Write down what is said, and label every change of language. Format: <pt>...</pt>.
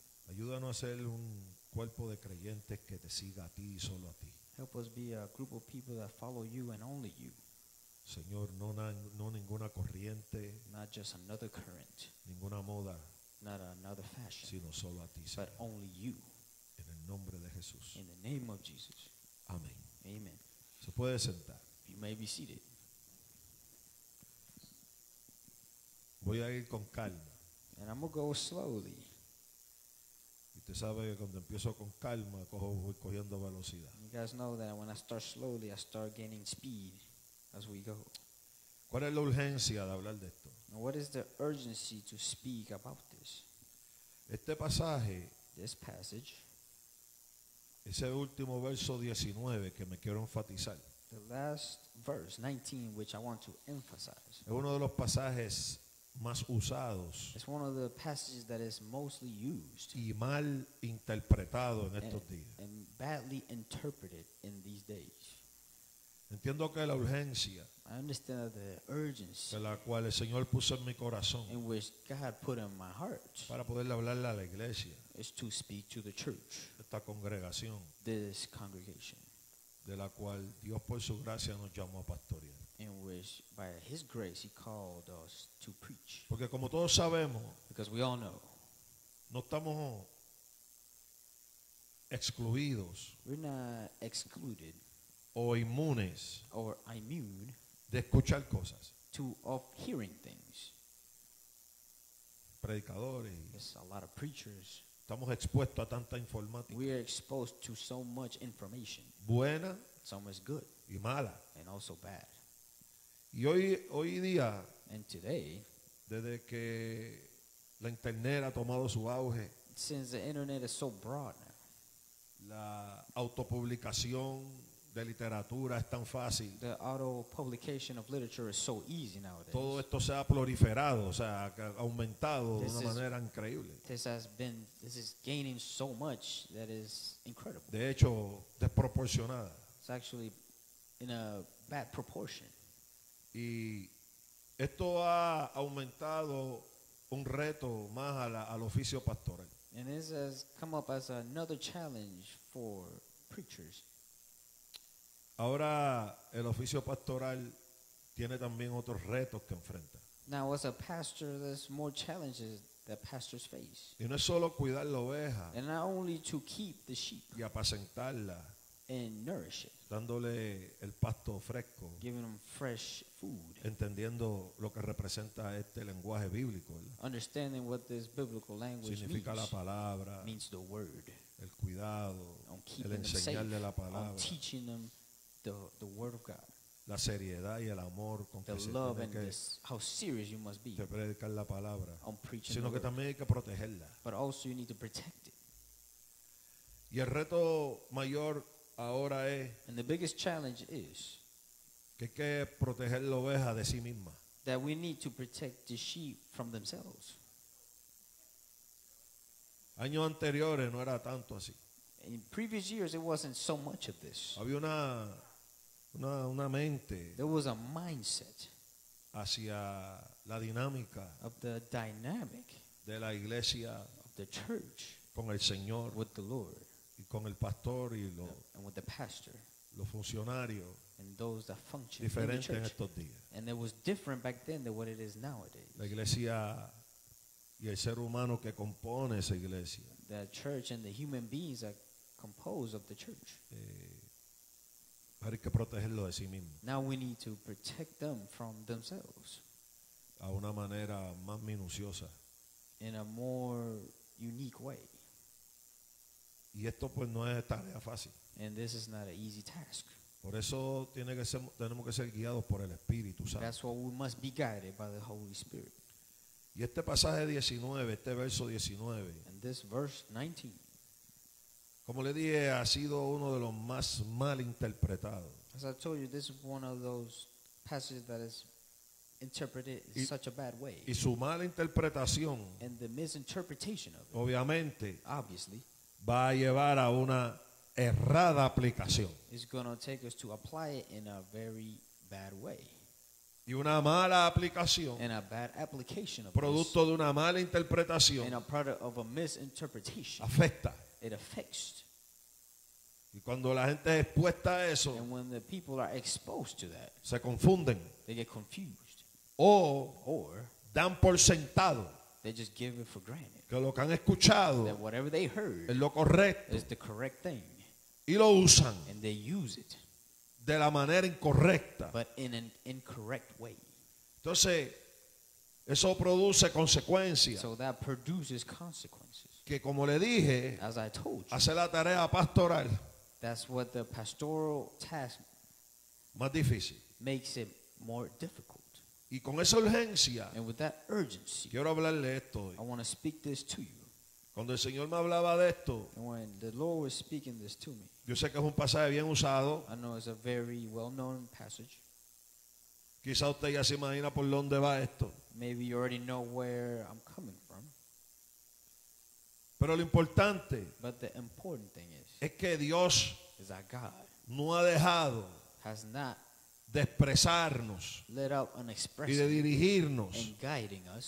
<es>Ayúdanos a ser un cuerpo de creyentes que te siga a ti y solo a ti.</es> <en>Help us be a group of people that follow you and only you.</en> <es>Señor, no ninguna corriente.</es> <en>Not just another current.</en> <es>Ninguna moda.</es> <en>Not another fashion.</en> <es>Sino solo a ti, Señor.</es> <en>But only you.</en> <es>En el nombre de Jesús.</es> <en>In the name of Jesus.</en> <es>Amén.</es> <en>Amen.</en> <es>Se puede sentar.</es> <en>You may be seated.</en> <es>Voy a ir con calma.</es> <en>And I'm going to go slowly.</en> <es>Usted sabe que cuando empiezo con calma, voy cogiendo velocidad.</es> <en>You guys know that when I start slowly, I start gaining speed as we go.</en> <es>¿Cuál es la urgencia de hablar de esto?</es> <en>Now, what is the urgency to speak about this?</en> <es>Este pasaje,</es> <en>this passage,</en> <es>ese último verso 19 que me quiero enfatizar.</es> <en>The last verse, 19, which I want to emphasize.</en> <es>Es uno de los pasajes más usados.</es> <en>It's one of the passages that is mostly used.</en> <es>Y mal interpretado en estos días.</es> <en>And badly interpreted in these days.</en> <es>Entiendo que la urgencia,</es> <en>I understand the urgency,</en> <es>la cual el Señor puso en mi corazón,</es> <en>in which God put in my heart,</en> <es>para poderle hablarle a la iglesia,</es> <en>is to speak to the church,</en> <es>esta congregación,</es> <en>this congregation,</en> <es>de la cual Dios por su gracia nos llamó a pastorear.</es> <en>In which, by His grace, He called us to preach.</en> <es>Porque como todos sabemos,</es> <en>because we all know,</en> <es>no estamos excluidos,</es> <en>we're not excluded,</en> <es>o inmunes,</es> <en>or immune,</en> <es>de escuchar cosas,</es> <en>to of hearing things.</en> <es>Predicadores,</es> <en>there's a lot of preachers.</en> <es>Estamos expuestos a tanta informática.</es> <en>We are exposed to so much information.</en> <es>Buena,</es> <en>some is good,</en> <es>y mala,</es> <en>and also bad.</en> <es>Y hoy día,</es> <en>and today,</en> <es>desde que la internet ha tomado su auge,</es> <en>since the internet is so broad now,</en> <es>la autopublicación de literatura es tan fácil.</es> <en>The auto publication of literature is so easy nowadays.</en> <es>Todo esto se ha proliferado, o sea, ha aumentado de una manera increíble.</es> <en>This is gaining so much that is incredible.</en> <es>De hecho, desproporcionada.</es> <en>It's actually in a bad proportion.</en> <es>Y esto ha aumentado un reto más al oficio pastoral.</es> <en>And this has come up as another challenge for preachers.</en> <es>Ahora el oficio pastoral tiene también otros retos que enfrenta.</es> <en>Now as a pastor, there's more challenges that pastors face.</en> <es>Y no es solo cuidar la oveja.</es> <en>And not only to keep the sheep.</en> <es>Y apacentarla.</es> <en>And nourish it.</en> <es>Dándole el pasto fresco.</es> <en>Giving them fresh food.</en> <es>Entendiendo lo que representa este lenguaje bíblico. ¿Verdad?</es> <en>Understanding what this biblical language</en> <es>significa</es> <en>means.</en> <es>La palabra.</es> <en>Means the word.</en> <es>El cuidado.</es> <en>On keeping</en> <es>el enseñarle</es> <en>them safe,</en> <es>la palabra.</es> <en>On teaching them. The word of God.</en> <es>La seriedad y el amor con</es> <en>the</en> <es>que se</es> <en>love</en> <es>tiene</es> <en>and</en> <es>que</es> <en>how serious you must be</en> <es>de predicar la palabra,</es> <en>on preaching</en> <es>sino</es> <en>the word.</en> <es>También hay que protegerla.</es> <en>But also you need to protect it.</en> <es>Y el reto mayor ahora es</es> <en>and the biggest challenge is</en> <es>que hay que proteger la oveja de sí misma.</es> <en>That we need to protect the sheep from themselves.</en> <es>Años anteriores no era tanto así.</es> <en>In previous years it wasn't so much of this.</en> <es>Había una mente.</es> <en>There was a mindset</en> <es>hacia la dinámica</es> <en>of the dynamic</en> <es>de la iglesia</es> <en>of the church</en> <es>con el Señor</es> <en>with the Lord</en> <es>y con el pastor y lo,</es> <en>and with the pastor</en> <es>los funcionarios</es> <en>and those that function</en> <es>diferente</es> <en>in the church.</en> <es>En estos días.</es> <en>And it was different back then than what it is nowadays.</en> <es>La iglesia y el ser humano que compone esa iglesia.</es> <en>The church and the human beings that compose of the church.</en> <es>Ahora hay que protegerlo de sí mismo.</es> <en>Now we need to protect them from themselves.</en> <es>A una manera más minuciosa.</es> <en>In a more unique way.</en> <es>Y esto pues no es tarea fácil.</es> <en>And this is not an easy task.</en> <es>Por eso tenemos que ser guiados por el Espíritu Santo.</es> <en>That's why we must be guided by the Holy Spirit.</en> <es>Y este pasaje 19, este verso 19.</es> <en>And this verse 19.</en> <es>Como le dije, ha sido uno de los más mal interpretados.</es> <en>As I told you, this is one of those passages that is interpreted in such a bad way.</en> <es>Y su mala interpretación,</es> <en>and the misinterpretation of it,</en> <es>obviamente,</es> <en>obviously,</en> <es>va a llevar a una errada aplicación.</es> <en>It's going to take us to apply it in a very bad way.</en> <es>Y una mala aplicación,</es> <en>and a bad application of</en> <es>producto</es> <en>this,</en> <es>de una mala interpretación,</es> <en>and a product of a misinterpretation,</en> <es>afecta.</es> <en>It affects.</en> <es>Y cuando la gente es expuesta a eso,</es> <en>and when the people are exposed to that,</en> <es>se confunden.</es> <en>They get confused.</en> <es>Or dan por sentado.</es> <en>They just give it for granted.</en> <es>Que lo que han escuchado,</es> <en>that whatever they heard,</en> <es>es lo correcto.</es> <en>Is the correct thing.</en> <es>Y lo usan.</es> <en>And they use it.</en> <es>De la manera incorrecta.</es> <en>But in an incorrect way.</en> <es>Entonces, eso produce consecuencias.</es> <en>So that produces consequences.</en> <es>Que como le dije,</es> <en>as I told you,</en> <es>hace la tarea pastoral.</es> <en>That's what the pastoral task</en> <es>más difícil.</es> <en>Makes it more difficult.</en> <es>Y con esa urgencia.</es> <en>And with that urgency.</en> <es>Quiero hablarle esto hoy.</es> <en>I want to speak this to you.</en> <es>Cuando el Señor me hablaba de esto,</es> <en>when the Lord was speaking this to me,</en> <es>yo sé que es un pasaje bien usado.</es> <en>I know it's a very well-known passage.</en> <es>Quizá usted ya se imagina por dónde va esto.</es> <en>Maybe you already know where I'm coming from.</en> <es>Pero lo importante,</es> <en>but the important thing is,</en> <es>es que Dios</es> <en>is that God</en> <es>no ha dejado</es> <en>has not</en> <es>de expresarnos</es> <en>let up an expression</en> <es>y de dirigirnos</es> <en>and guiding us</en>